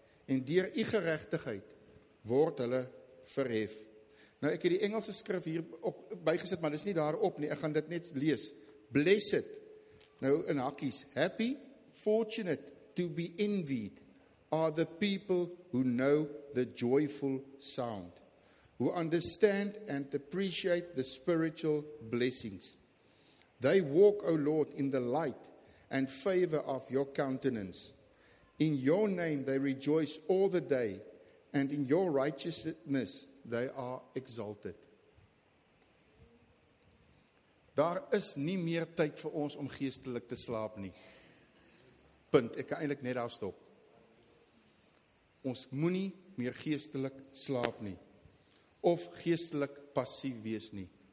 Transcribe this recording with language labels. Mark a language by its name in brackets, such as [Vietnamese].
[Afrikaans] En deur u geregtigheid word hulle verhef. Nou ek het die Engelse skrif hier op bygesit, maar dit is nie daarop nie, ek gaan dit net lees. [English] Blessed, [Afrikaans] nou in hakkies, [English] happy, fortunate, to be envied, are the people who know the joyful sound, who understand and appreciate the spiritual blessings. They walk, O Lord, in the light and favor of your countenance. In your name they rejoice all the day, and in your righteousness they are exalted. [Afrikaans] Daar is nie meer tyd vir ons om geestelik te slaap nie. Punt, ek kan eintlik net daar stop. Ons moenie meer geestelik slaap nie of geestelik passief wees nie.